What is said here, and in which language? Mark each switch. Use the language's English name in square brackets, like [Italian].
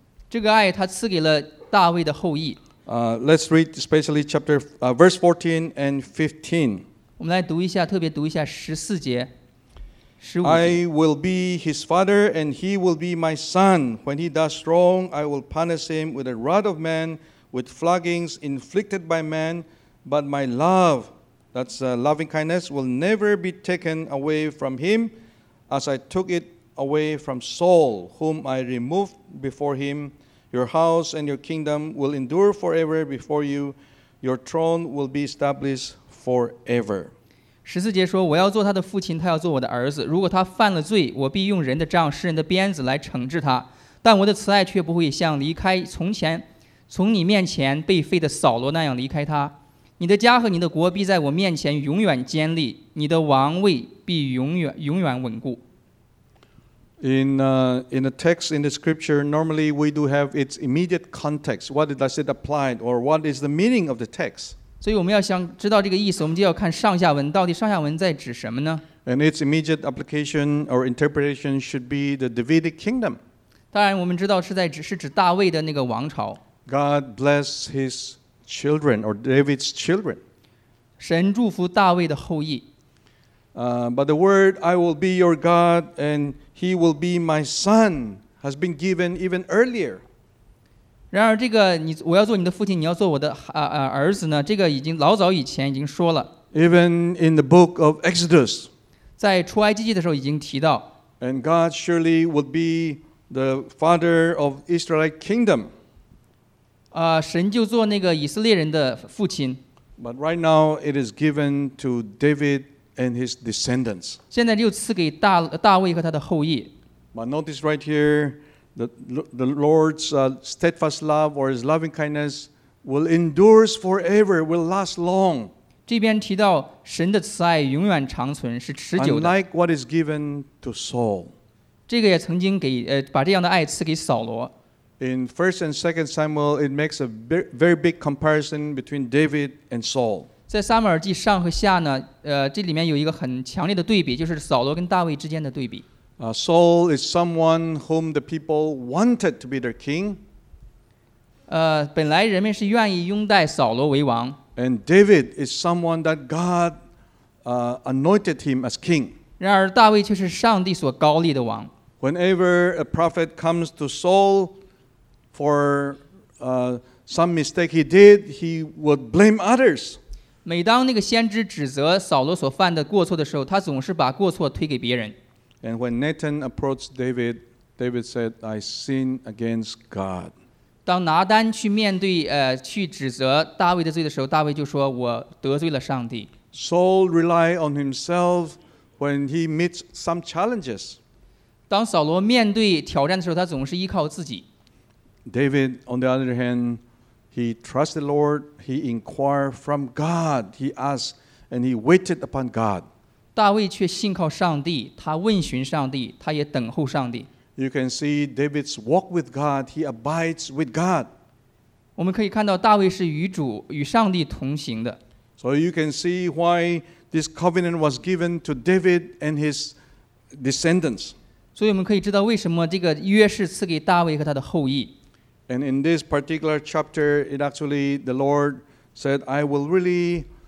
[Chinese] 这个爱他赐给了大卫的后裔。 [English] Let's read especially chapter verse 14 and 15. [Chinese] 我们来读一下，特别读一下十四节，十五。 [English] I will be his father, and he will be my son. When he does wrong, I will punish him with a rod of man, with floggings inflicted by man. But my love, that's loving kindness, will never be taken away from him. As I took it away from Saul, whom I removed before him, your house and your kingdom will endure forever before you. Your throne will be established forever. [Chinese] 十四节说：“我要做他的父亲，他要做我的儿子。如果他犯了罪，我必用人的杖、世人的鞭子来惩治他。但我的慈爱却不会像离开从你面前被废的扫罗那样离开他。你的家和你的国必在我面前永远坚立，你的王位。” 必永远稳固。 [English] In the text in the scripture, normally we do have its immediate context. What does it apply, or what is the meaning of the text? [Chinese] 所以我们要想知道这个意思，我们就要看上下文，到底上下文在指什么呢 [English] ？And its immediate application or interpretation should be the Davidic kingdom. [Chinese] 当然，我们知道是指大卫的那个王朝。 [English] God bless his children or David's children. [Chinese] 神祝福大卫的后裔。 [English] But the word, I will be your God and he will be my son, has been given even earlier. [Chinese] 然而这个你我要做你的父亲，你要做我的儿子呢，这个已经老早以前已经说了。 [English] Even in the book of Exodus. [Chinese] 在出埃及记的时候已经提到。 [English] And God surely would be the father of Israelite kingdom. [Chinese] 神就做那个以色列人的父亲。 [English] But right now it is given to David and his descendants. [Chinese] 现在就赐给大卫和他的后裔。 [English] But notice right here, the Lord's steadfast love or his loving kindness will endure forever, will last long. [Chinese] 这边提到神的慈爱永远长存，是持久的。 [English] Unlike what is given to Saul. [Chinese] 这个也曾经给把这样的爱赐给扫罗。 [English] In 1 and 2 Samuel, it makes a very big comparison between David and Saul. [Chinese] 在撒母耳记上和下呢，这里面有一个很强烈的对比，就是扫罗跟大卫之间的对比。 [English] Saul is someone whom the people wanted to be their king. [Chinese] 本来人们是愿意拥戴扫罗为王。 [English] And David is someone that God anointed him as king. [Chinese] 然而大卫却是上帝所高立的王。 [English] Whenever a prophet comes to Saul for some mistake he did, he would blame others. [Chinese] 每当那个先知指责扫罗所犯的过错的时候，他总是把过错推给别人。 [English] And when Nathan approached David, David said, I sin against God. [Chinese] 当拿单去面对去指责大卫的罪的时候，大卫就说我得罪了上帝。 [English] Saul relied on himself when he meets some challenges. [Chinese] 当扫罗面对挑战的时候，他总是依靠自己。 [English] David, on the other hand, he trusted the Lord, he inquired from God, he asked, and he waited upon God. [Chinese] 大卫却信靠上帝，他问询上帝，他也等候上帝。 [English] You can see David's walk with God; he abides with God. [Chinese] 我们可以看到大卫是与主与上帝同行的。 [English] So you can see why this covenant was given to David and his descendants. [Chinese] 所以我们可以知道为什么这个约是赐给大卫和他的后裔。 [English] And in this particular chapter, it actually the Lord said, "I will really."